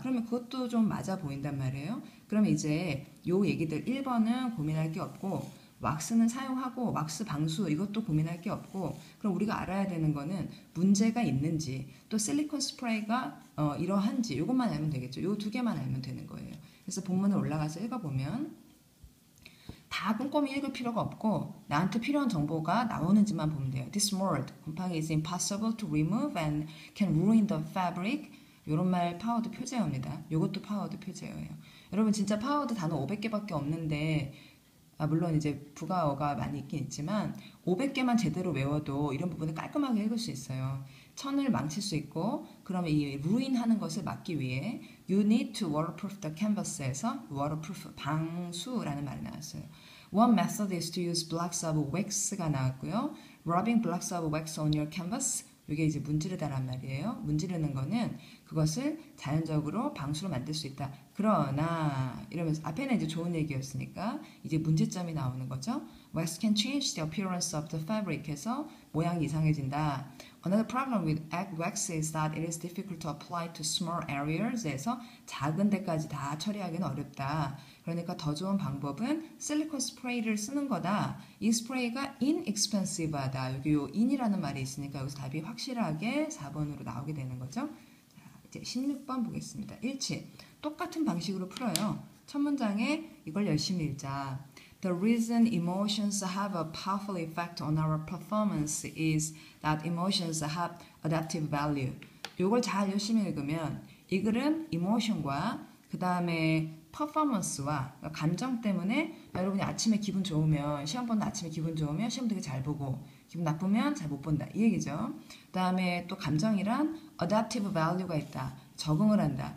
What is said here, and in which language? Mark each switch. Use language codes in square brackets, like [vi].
[ko] 그러면 그것도 좀 맞아 보인단 말이에요. 그러면 이제 요 얘기들 1번은 고민할 게 없고, 왁스는 사용하고 왁스 방수 이것도 고민할 게 없고 그럼 우리가 알아야 되는 거는 문제가 있는지 또 실리콘 스프레이가 이러한지 이것만 알면 되겠죠. 요두 개만 알면 되는 거예요. 그래서 본문을 올라가서 읽어보면 다 꼼꼼히 읽을 필요가 없고 나한테 필요한 정보가 나오는지만 보면 돼요. [en] This mold, 곰팡이 is impossible to remove and can ruin the fabric. [ko] 이런 말 파워드 표제어입니다. 이것도 파워드 표제어예요. 여러분 진짜 파워드 단어 500개밖에 없는데 아, 물론 이제 부가어가 많이 있긴 있지만 500개만 제대로 외워도 이런 부분을 깔끔하게 읽을 수 있어요. 천을 망칠 수 있고 그러면 이 루인하는 것을 막기 위해 [en] You need to waterproof the canvas [ko] 에서 waterproof, 방수라는 말이 나왔어요. [en] One method is to use blocks of wax가 [ko] 나왔고요. [en] Rubbing blocks of wax on your canvas. [ko] 이게 이제 문지르다란 말이에요. 문지르는 거는 그것을 자연적으로 방수로 만들 수 있다. 그러나 이러면서 앞에는 이제 좋은 얘기였으니까 이제 문제점이 나오는 거죠. [en] Wax can change the appearance of the fabric [ko] 해서 모양이 이상해진다. [en] Another problem with egg wax is that it is difficult to apply to small areas [ko] 해서 작은 데까지 다 처리하기는 어렵다. 그러니까 더 좋은 방법은 실리콘 스프레이를 쓰는 거다. 이 스프레이가 inexpensive하다. 여기 요 in이라는 말이 있으니까 여기서 답이 확실하게 4번으로 나오게 되는 거죠. 자, 이제 16번 보겠습니다. 일치. 똑같은 방식으로 풀어요. 첫 문장에 이걸 열심히 읽자. [en] The reason emotions have a powerful effect on our performance is that emotions have adaptive value. [ko] 이걸 잘 열심히 읽으면 이 글은 emotion과 그 다음에 퍼포먼스와 감정 때문에 여러분이 아침에 기분 좋으면 시험 보는 아침에 기분 좋으면 시험 되게 잘 보고 기분 나쁘면 잘못 본다 이 얘기죠. 그다음에 또 감정이란 adaptive value가 있다. 적응을 한다.